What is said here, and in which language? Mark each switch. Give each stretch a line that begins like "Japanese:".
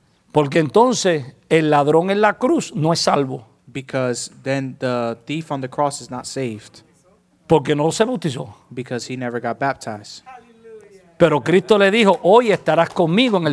Spanish: Porque entonces el ladrón en la cruz no es salvo.
English: Because then the thief on the cross is not saved.
Spanish: Porque no se bautizó.
English: Because he never got baptized.
Spanish: Pero Cristo le dijo, hoy estarás conmigo en el